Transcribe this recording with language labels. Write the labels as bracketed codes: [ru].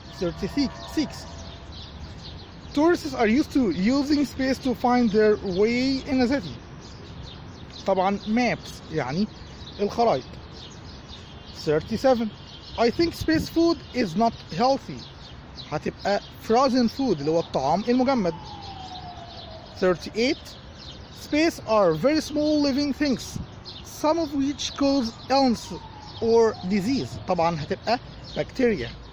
[en] 36, tourists are used to using space to find their way in a city. [ar] طبعا maps يعني الخرائط. [en] 37 I think space food is not healthy هتبقى frozen food [ar] اللي هو الطعام المجمد. [en] 38 space are very small living things some of which cause illness or disease [ar] طبعا هتبقى [en] bacteria.